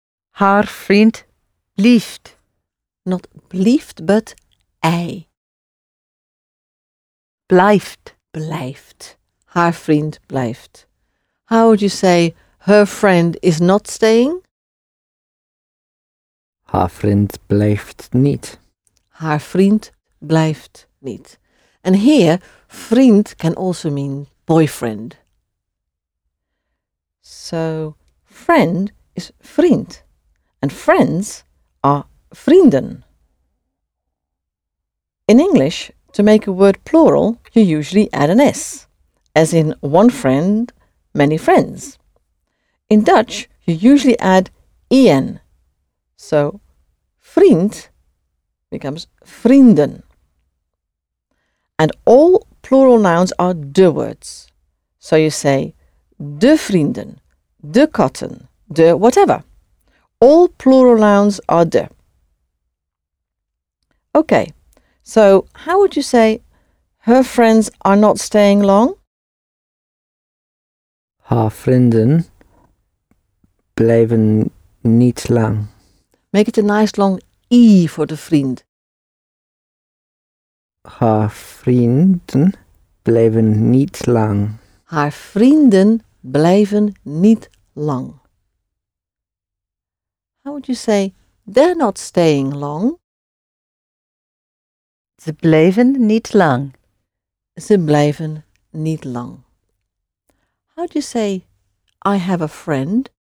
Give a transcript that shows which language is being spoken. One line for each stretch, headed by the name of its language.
Dutch: Haar vriend blijft.
English: Not blijft, but a.
Dutch: Blijft. Blijft. Haar vriend blijft.
English: How would you say her friend is not staying?
Dutch: Haar vriend blijft niet. Haar vriend blijft niet.
English: And here, vriend can also mean boyfriend. So, friend is vriend. And friends are vrienden. In English, to make a word plural, you usually add an S. As in one friend, many friends. In Dutch, you usually add ien. So, vriend becomes vrienden. And all plural nouns are de words. So you say
Dutch: de vrienden, de katten,
English: de whatever. All plural nouns are de. Okay, so how would you say her friends are not staying long?
Dutch: Haar vrienden blijven niet lang.
English: Make it a nice long E for the vriend.
Dutch: Haar vrienden blijven niet lang. Haar vrienden blijven niet lang.
English: How would you say they're not staying long?
Dutch: Ze blijven niet lang. Ze blijven niet lang.
English: How do you say I have a friend?